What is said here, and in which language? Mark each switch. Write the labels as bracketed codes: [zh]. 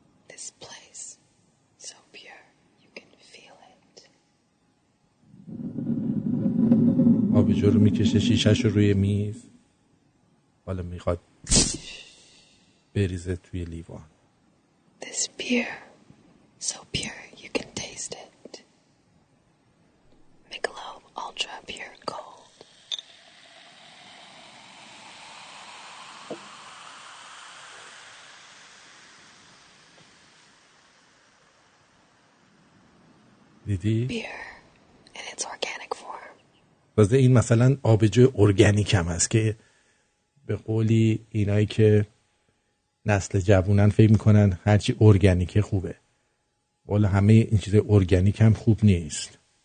[en] This place so pure you can feel it. [fa] آبجو رو میکشه شیشهش رو روی میز، حالا میخواد بریزه توی لیوان. [en] This beer so pure you can taste it. Michelob Ultra Pure Gold. [fa] دیدی؟ [en] Beer in its organic form. [fa] واسه این مثلا آبجو ارگانیک هم هست که به قولی اینایی که نسل جوانان فکر میکنن هرچی ارگانیکه خوبه، ولی همه این چیز ارگانیک هم خوب نیست.